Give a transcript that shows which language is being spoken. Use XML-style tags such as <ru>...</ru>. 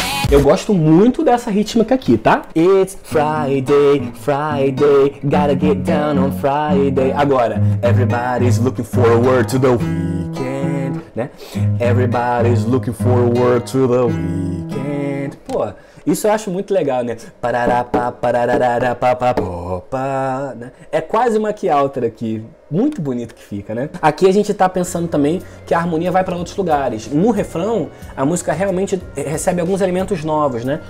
<pt>Eu gosto muito dessa rítmica aqui, tá?</pt> <en>It's Friday, Friday, gotta get down on Friday. Agora, everybody's looking forward to the weekend, né? Everybody's looking forward to the weekend. Pô,</en> <pt>Isso eu acho muito legal, né? Pararapá, parararara, papapopá, né? É quase uma Kjalter aqui. Muito bonito que fica, né? Aqui a gente tá pensando também que a harmonia vai para outros lugares. No refrão, a música realmente recebe alguns elementos novos, né?</pt>